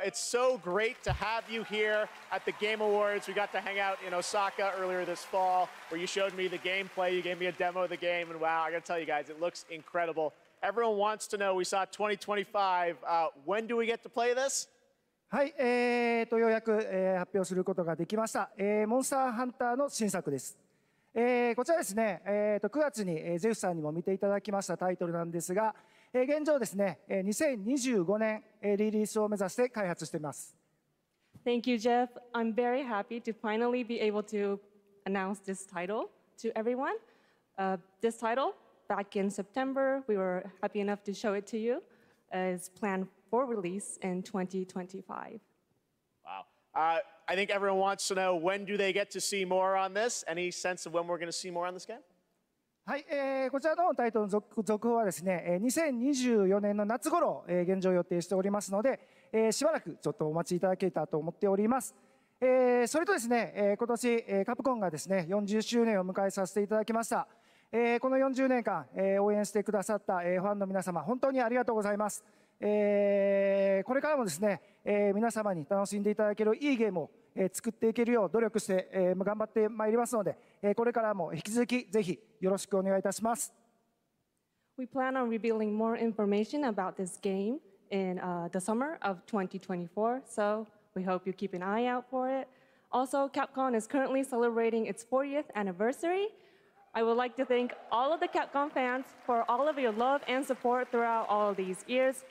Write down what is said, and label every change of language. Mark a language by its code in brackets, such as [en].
[en] It's so great to have you here at the Game Awards. We got to hang out in Osaka earlier this fall, where you showed me the gameplay, you gave me a demo of the game, and wow, I gotta tell you guys, it looks incredible. Everyone wants to know, we saw 2025, when do we get to play this? [ja] はい、ようやく、発表することができました。モンスターハンターの新作です。こちらですね、9月にゼフさんにも見ていただきましたタイトルなんですが、現状ですね、2025年リリースを目指して開発しています。 [en] Thank you, Jeff. I'm very happy to finally be able to announce this title to everyone. This title, back in September, we were happy enough to show it to you, is planned for release in 2025. Wow. I think everyone wants to know, when do they get to see more on this? Any sense of when we're going to see more on this game? [ja] はい、こちらのタイトルの 続報はですね、2024年の夏頃、現状予定しておりますので、しばらくちょっとお待ちいただけたと思っております。それとですね、今年、カプコンがですね、40周年を迎えさせていただきました。この40年間、応援してくださった、ファンの皆様、本当にありがとうございます。これからもですね、皆様に楽しんでいただけるいいゲームを、作っていけるよう努力して、頑張ってまいりますので、これからも引き続きぜひよろしくお願いいたします。 [en] We plan on revealing more information about this game in, the summer of 2024, so we hope you keep an eye out for it. Also, Capcom is currently celebrating its 40th anniversary. I would like to thank all of the Capcom fans for all of your love and support throughout all of these years.